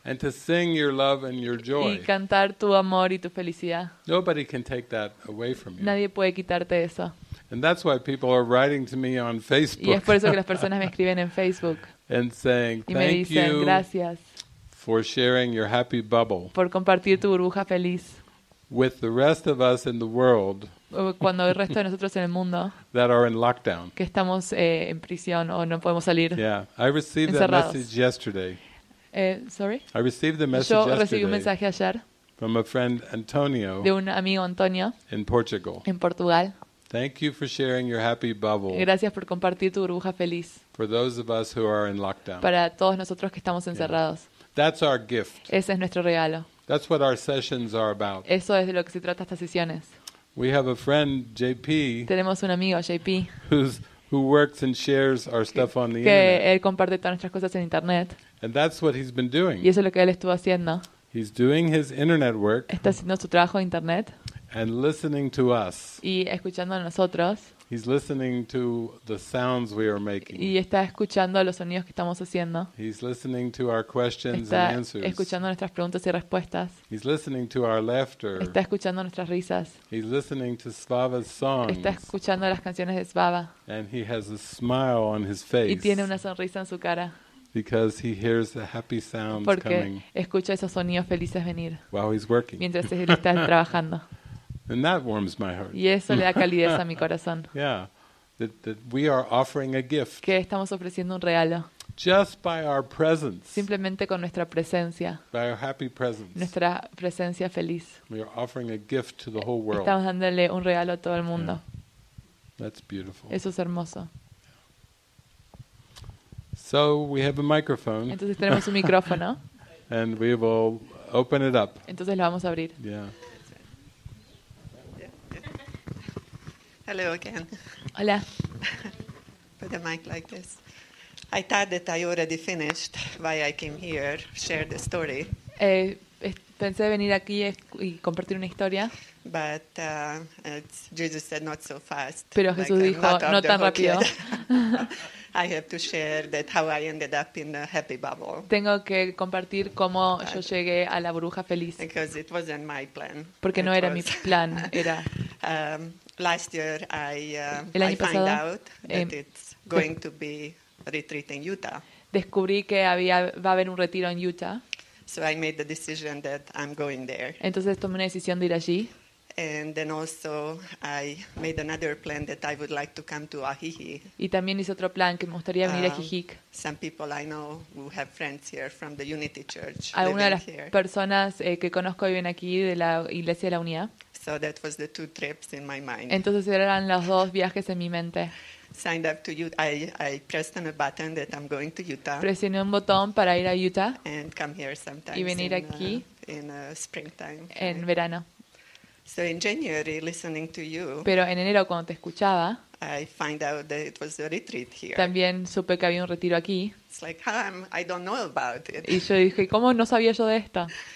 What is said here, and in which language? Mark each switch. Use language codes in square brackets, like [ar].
[en] And to sing your love and your joy. [es] Y cantar tu amor y tu felicidad. [en] Nobody can take that away from you. [es] Nadie puede quitarte eso. [en] And that's why people are writing to me on Facebook. [es] Y es por eso que las personas me escriben en Facebook. [en] And saying [es] y me [en] thank [es] dicen, [en] you. [es] Gracias. [en] For sharing your happy bubble. [es] Por compartir tu burbuja feliz. [en] With the rest of us in the world. [es] Cuando el resto de nosotros en el mundo. [en] That are in lockdown. [es] Que estamos en prisión o no podemos salir. [en] Yeah, I received [es] encerrados. [en] That message yesterday. Sorry. I received the message yesterday. [es] Yo recibí un mensaje ayer. [en] From a friend Antonio. [es] De un amigo Antonio. [en] In Portugal. [es] En Portugal. [en] Thank you for sharing your happy bubble. [es] Gracias por compartir tu burbuja feliz. [en] For those of us who are in lockdown. [es] Para todos nosotros que estamos encerrados. [en] Yeah. That's our gift. [es] Ese es nuestro regalo. [en] That's what our sessions are about. [es] Eso es de lo que se trata estas sesiones. [en] We have a friend JP. [es] Tenemos un amigo JP. [en] Who works and shares our stuff on the internet. [es] Que él comparte todas nuestras cosas en internet. [en] And that's what he's been doing. [es] Y eso es lo que él estuvo haciendo. [en] He's doing his internet work. [es] Está haciendo su trabajo en internet. [en] And listening to us. [es] Y escuchando a nosotros. [en] He's listening to the sounds we are making. [es] Y está escuchando los sonidos que estamos haciendo. [en] He's listening to our questions [es] está [en] and answers. [es] Está escuchando nuestras preguntas y respuestas. [en] He's listening to our laughter. [es] Está escuchando nuestras risas. [en] He's listening to Svava's songs. [es] Está escuchando las canciones de Svava. [en] And he has a smile on his face. [es] Y tiene una sonrisa en su cara. [en] Because he hears the happy sounds [es] porque [en] coming. [es] Porque escucha esos sonidos felices venir. [en] While he's working. [es] Mientras él está trabajando. [en] And that warms my heart. [es] Y eso le da calidez a mi corazón. [en] Yeah, that we are offering a gift. [es] Que estamos ofreciendo un regalo. [en] Just by our presence. [es] Simplemente con nuestra presencia. [en] By our happy presence. [es] Nuestra presencia feliz. [en] We are offering a gift to the whole world. [es] Estamos dándole un regalo a todo el mundo. [en] Yeah. That's beautiful. [es] Eso es hermoso. [en] So we have a microphone. [es] Entonces tenemos un micrófono. [en] And we will open it up. [es] Entonces lo vamos a abrir. [en] Yeah. Hello again. [es] Hola. [en] Put the mic like this. I thought that I already finished why I came here, share the story. [es] Pensé venir aquí y compartir una historia. [en] But Jesus said not so fast. [es] Pero Jesús [en] like, [es] dijo no tan rápido. [en] I have to share that how I ended up in the happy bubble. [es] Tengo que compartir cómo yo llegué a la burbuja feliz. [en] Because it wasn't my plan. [es] Porque [en] it [es] no era mi plan, era. [en] Last year I found out that it's going to be a retreat in Utah. [es] Descubrí que va a haber un retiro en Utah. [en] So I made the decision that I'm going there. [es] Entonces tomé una decisión de ir allí. [en] And then also I made another plan that I would like to come to Ajijic. [es] Y también hice otro plan que me gustaría venir a Ajijic. [en] Some people I know who have friends here from the Unity Church. [es] Algunas de las [en] here. [es] Personas que conozco viven aquí de la Iglesia de la Unidad. [en] So that was the two trips in my mind. [es] Entonces eran los dos viajes en mi mente. [en] Signed up to Utah. I pressed on a button that I'm going to Utah. [es] Presioné un botón para ir a Utah. [en] And come here sometime. [es] Y venir aquí. [en] In springtime. [es] En [en] right? [es] verano. [en] So in January, listening to you. [es] Pero en enero cuando te escuchaba. [en] I find out that it was a retreat here. [es] También supe que había un retiro aquí. [en] It's like I don't know about it. [es] Y yo dije cómo no sabía yo de esto.